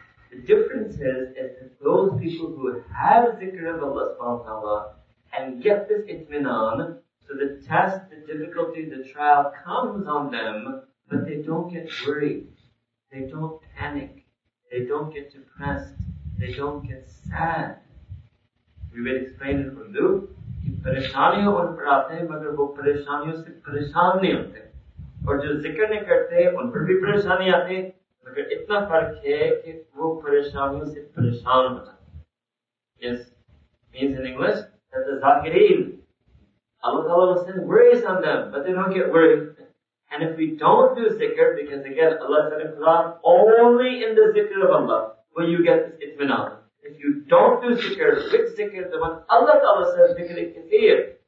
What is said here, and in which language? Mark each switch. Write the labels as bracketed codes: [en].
[en] The difference is that those people who have zikr of Allah subhanahu wa ta'ala and get this itminan, so the test, the difficulty, the trial comes on them, but they don't get worried. They don't panic. They don't get depressed. They don't get sad. We will explain it from Luke. [ur] پریشانیوں ان پر آتے ہیں، مگر وہ پریشانیوں سے پریشان نہیں ہوتے۔ اور جو ذکر نہیں کرتے، ان پر بھی پریشانی آتے ہیں، مگر اتنا فرق ہے کہ وہ پریشانیوں سے پریشان ہو جاتے۔ [en] Yes, means in English, that the zahirin, Allah Ta'ala will send worries on them, but they don't get worried. And if we don't do zikr, because again, Allah said in Quran, only in the zikr of Allah will you get this itminan. If you don't do zikr, which zikr? The one Allah Ta'ala says, zikr al-kathir.